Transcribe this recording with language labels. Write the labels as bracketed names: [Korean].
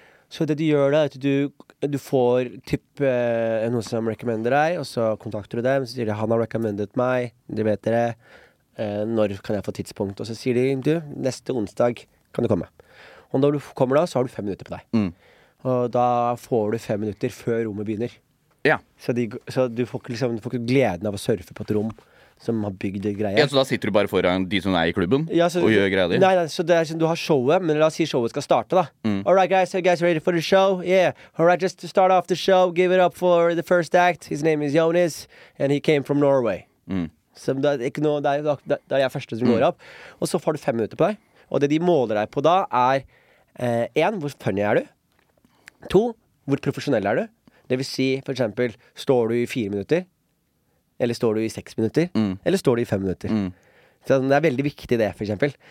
[Norwegian] Så det du gjør da, at du får typ noen som rekommender deg, og så kontakter du dem, så sier de han har rekommendet meg, de vet dere, når kan jeg få tidspunkt, og så sier de du, neste onsdag kan du komme. Og når du kommer da, så har du 5 minutter på deg. Og da får du 5 minutter før rommet begynner. Ja. Så du får ikke liksom, gleden av å surfe på et rom som har bygd greier. Ja, så da sitter du bare foran de som er i klubben, ja, så, og gjør greier. Nei, så det er sånn, du har showet, men la oss si showet skal starte da. [English] Alright guys, are you guys ready for the show? Yeah, alright, just to start off the show, give it up for the first act. His name is Jonas, and he came from Norway. [Norwegian] Så det er ikke noe, det er jeg første som går opp. Og så får du 5 minutter på deg. Og det de måler deg på da er 1, hvor funny er du? 2, hvor profesjonell er du? Det vil si, for eksempel, står du i 4 minutter? Eller står du i 6 minutter? Eller står du i 5 minutter? Så det er veldig viktig det, for eksempel.